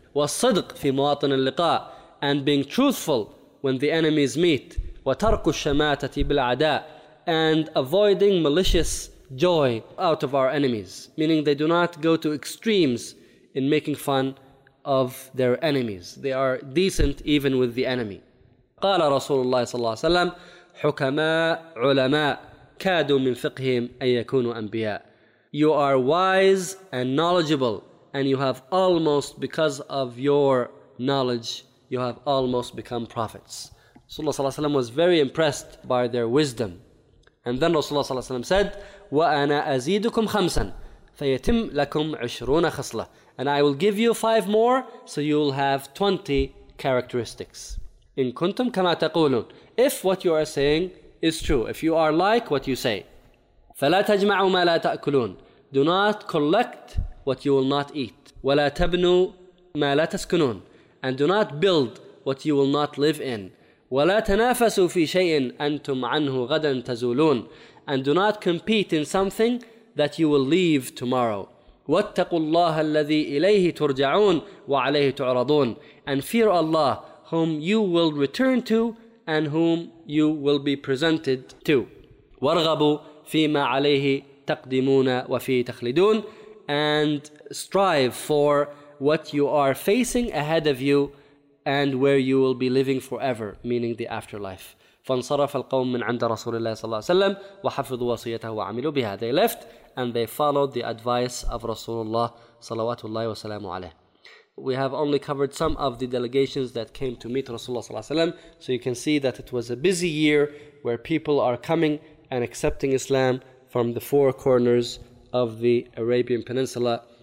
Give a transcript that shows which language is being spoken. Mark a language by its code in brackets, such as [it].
[ar] والصدق في مواطن اللقاء, [en] and being truthful when the enemies meet. [ar] وترك الشماتة بالعداء, [en] and avoiding malicious joy out of our enemies, meaning they do not go to extremes in making fun of their enemies. They are decent even with the enemy. [ar] قال رسول الله صلى الله عليه وسلم, حكماء علماء كادوا من فقههم أن يكونوا أنبياء. [en] You are wise and knowledgeable, and you have almost, because of your knowledge, you have almost become prophets. Rasulullah صلى الله عليه وسلم was very impressed by their wisdom. And then Rasulullah صلى الله عليه وسلم said, [ar] وأنا أزيدكم خمسا فيتم لكم 20 خصلة. [en] And I will give you 5 more, so you will have 20 characteristics. [ar] إن كنتم كما تقولون. [en] If what you are saying is true, if you are like what you say, [ar] فلا تجمعوا ما لا تأكلون. [en] Do not collect what you will not eat. [ar] ولا تبنوا ما لا تسكنون. [en] And do not build what you will not live in. [ar] ولا تنافسوا في شيء أنتم عنه غدا تزولون. [en] And do not compete in something that you will leave tomorrow. [ar] واتقوا الله الذي إليه ترجعون وعليه تعرضون. [en] And fear Allah, whom you will return to and whom you will be presented to. [ar] وارغبوا فيما عليه تقدمون وفي تخلدون. [en] And strive for what you are facing ahead of you and where you will be living forever, meaning the afterlife. [ar] فانصرف القوم من عند رسول الله صلى الله عليه وسلم وحفظوا وصيته وعملوا بها. [en] They left and they followed the advice of Rasulullah صلوات الله وسلامه عليه. We have only covered some of the delegations that came to meet Rasulullah صلى الله عليه وسلم. So you can see that it was a busy year where people are coming and accepting Islam from the four corners of the Arabian Peninsula.